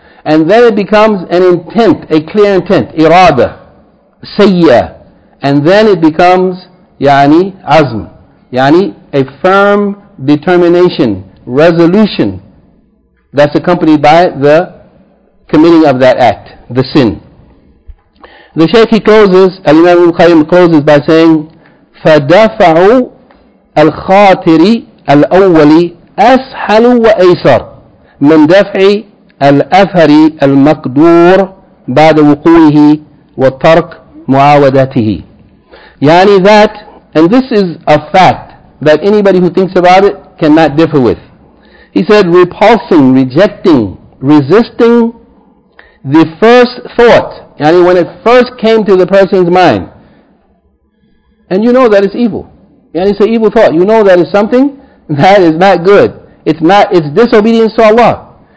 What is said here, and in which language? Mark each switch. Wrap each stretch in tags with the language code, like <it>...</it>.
<en>And then it becomes an intent, a clear intent, irada, sayya. And then it becomes, yani, azm. Yani, a firm determination, resolution that's accompanied by the committing of that act, the sin. The Shaykh, he closes, Al-Imam al-Qayyim closes by saying,</en> <ar>فَدَفَعُوا الْخَاطِرِ الْأَوَّلِ أَسْحَلُ وَأَيْسَرُ مِنْ دَفْعِ الْأَثَرِ الْمَقْدُورِ بَعْدَ وُقُوِهِ وَتَرْكِ مُعَاوَدَتِهِ.</ar> <en>Yani that, and this is a fact that anybody who thinks about it cannot differ with. He said, repulsing, rejecting, resisting the first thought, yani when it first came to the person's mind, and you know that it's evil, yani it's an evil thought, you know that it's something that is not good, it's disobedience to Allah.</en>